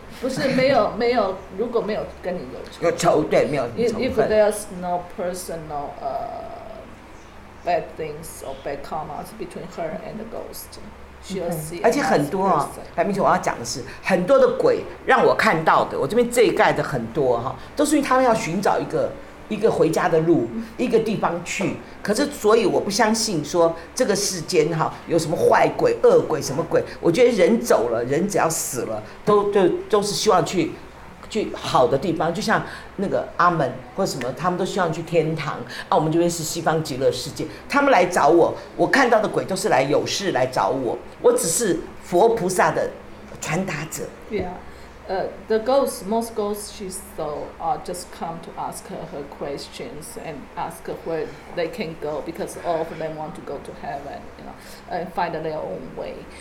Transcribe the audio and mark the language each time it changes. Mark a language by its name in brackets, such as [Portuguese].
[Chinese] 不是没有，如果没有跟你有仇，有仇对没有仇。 [English] If there's no personal bad things or bad karma between her and the ghost, she'll see. [Chinese] 而且很多啊，白明姐，我要讲的是很多的鬼让我看到的，我这边这一盖的很多哈，都是因为他们要寻找一个回家的路，一个地方去。可是，所以我不相信说这个世间哈有什么坏鬼、恶鬼什么鬼。我觉得人走了，人只要死了，都是希望去好的地方。就像那个阿门或什么，他们都希望去天堂。啊，我们这边是西方极乐世界。他们来找我，我看到的鬼都是来有事来找我。我只是佛菩萨的传达者。 [English] Yeah, the girls, most girls she saw are just come to ask her questions and ask her where they can go, because all of them want to go to heaven, you know, and find their own way.